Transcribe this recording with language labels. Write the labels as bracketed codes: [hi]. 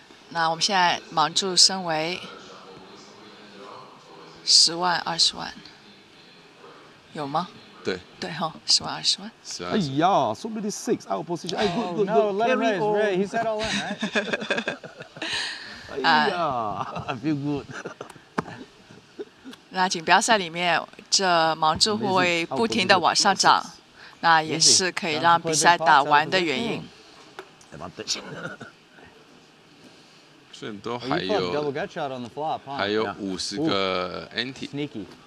[zh] 那我们现在盲注升为10万、20万，有吗？对。对哈、哦，10万、20万。十万。 [en] 哎呀 ，so many six out of position. Oh no, let him raise. Ray, he said all in, right? 哎呀 ，I feel good。 [zh] 那锦标赛里面，这盲注会不停的往上涨，那也是可以让比赛打完的原因。所以都还有，还有五十个 ante。